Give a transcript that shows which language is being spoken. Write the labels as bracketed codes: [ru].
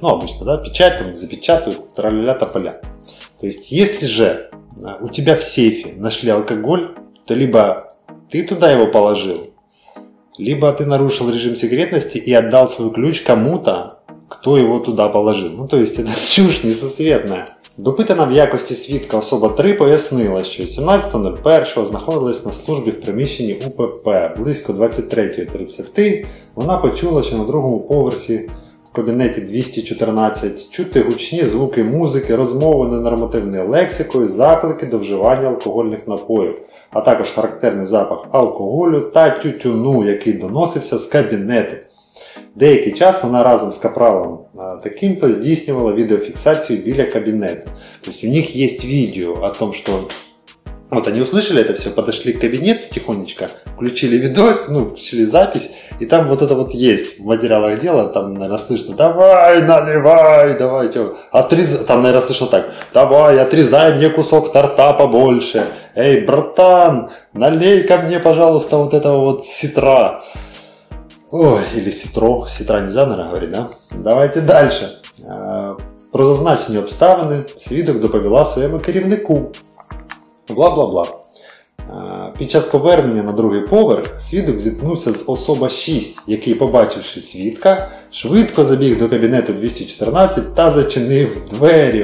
[ru] Ну, обычно, да, печать там запечатают, тра-ля-ля-та-па-ля. То есть, если же у тебя в сейфе нашли алкоголь, то либо ты туда его положил, либо ты нарушил режим секретности и отдал свой ключ кому-то, кто его туда положил. Ну, то есть, это чушь несусветная. [uk] Допитана в якості свідка особа 3 пояснила, що 17.01 знаходилась на службі в приміщенні УПП. Близько 23.30 вона почула, що на другому поверсі в кабінеті 214 чути гучні звуки музики, розмови ненормативною лексикою, заклики до вживання алкогольних напоїв, а також характерний запах алкоголю та тютюну, який доносився з кабінету. Деякий час вона разом з капралом таким-то здійснювала відеофіксацію біля кабінету. Тобто у них є відео [ru] о том, що вот они услышали это все, подошли к кабинету тихонечко, включили видос, ну, включили запись, и там вот это вот есть в материалах дела, там, наверное, слышно: «Давай, наливай, давай, чего?» Там, наверное, слышно так: «Давай, отрезай мне кусок торта побольше, эй, братан, налей ко мне, пожалуйста, вот этого вот ситра». Ой, или ситро, ситра нельзя, наверное, говорить, да? Давайте дальше. [uk] Про зазначені обставини свідок доповіла своєму керівнику. Бла-бла-бла. Під час повернення на другий поверх свідок зіткнувся з особа 6, який, побачивши свідка, швидко забіг до кабінету 214 та зачинив двері.